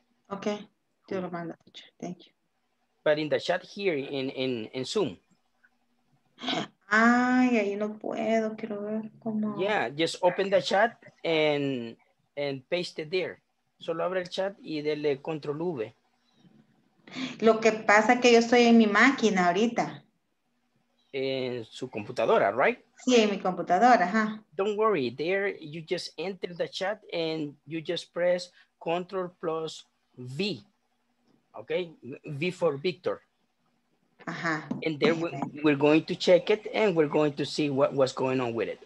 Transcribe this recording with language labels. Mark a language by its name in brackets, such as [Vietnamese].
[Spanish] Okay. Yo lo mando, teacher. [English] Thank you. But in the chat here in Zoom. [Spanish] Ay, ahí no puedo, quiero ver cómo. [English] Yeah, just open the chat and paste it there. [Spanish] Solo abre el chat y dele control V. Lo que pasa que yo estoy en mi máquina ahorita. En su computadora, right? Sí, en mi computadora, ajá. [English] Don't worry, there you just enter the chat and you just press control plus V. Okay, V for Victor. Uh-huh. And then we're going to check it and we're going to see what's going on with it.